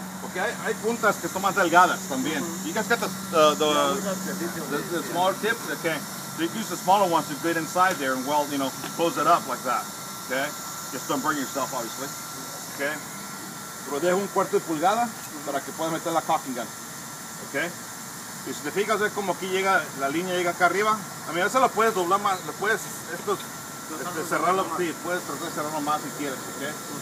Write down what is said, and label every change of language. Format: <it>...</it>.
<es>Okay, hay puntas que son más delgadas también.</es> <en>Mm-hmm. You guys got the smaller tips? Okay. So you can use the smaller ones to get inside there and weld, you know, close it up like that. Okay? Just don't burn yourself, obviously. Okay?</en> <es>Pero deja un cuarto de pulgada para que pueda meter la cocking gun. Okay? Y si te fijas, es como aquí llega, la línea llega acá arriba. A mí, a veces lo puedes doblar más, lo puedes, estos, cerrarlo, sí, puedes tratar de cerrarlo más si quieres. Okay?</es>